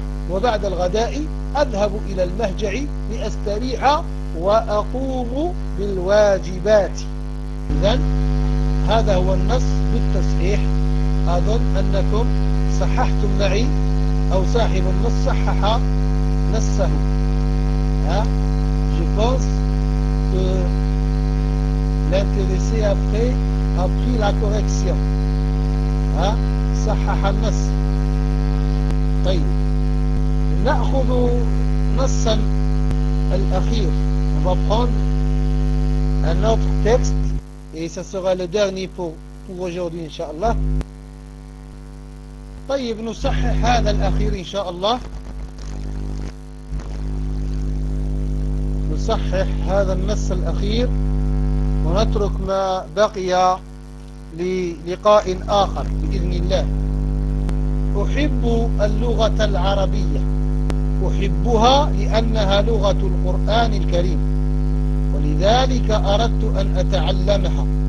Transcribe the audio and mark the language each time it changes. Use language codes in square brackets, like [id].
[ar] وبعد الغداء أذهب إلى المهجع لأستريح وأقوم بالواجبات. إذن هذا هو النص بالتصحيح. أظن أنكم صححتم معي، أو صاحب النص صحح نصه. [fr] Je pense que l'intéressé a pris la correction. [ar] صحح النص. طيب نأخذ نصا الأخير. [fr] On va prendre un autre texte et ça sera le dernier pour aujourd'hui, inshallah. [ar] طيب نصحح هذا الأخير إن شاء الله. نصحح هذا النص الأخير ونترك ما بقي للقاء آخر بإذن الله. أحب اللغة العربية، أحبها لأنها لغة القرآن الكريم، ولذلك أردت أن أتعلمها.